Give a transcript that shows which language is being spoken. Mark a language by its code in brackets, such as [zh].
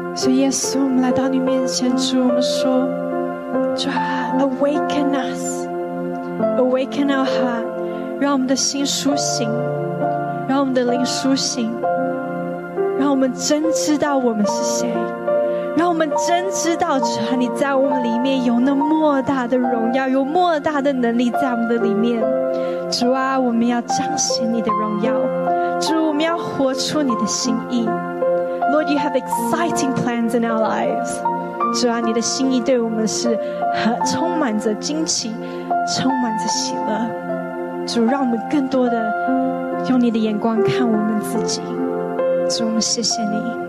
[zh] 耶稣，我们来到你面前，主，我们说，主啊 ， [en] awaken us，awaken our heart， [zh] 让我们的心苏醒，让我们的灵苏醒，让我们真知道我们是谁，让我们真知道主啊，你在我们里面有那莫大的荣耀，有莫大的能力在我们的里面。主啊，我们要彰显你的荣耀，主，我们要活出你的心意。 [en] Lord, you have exciting plans in our lives. [zh] 主啊，你的心意对我们是充满着惊奇，充满着喜乐。主，让我们更多的用你的眼光看我们自己。主，我们谢谢你。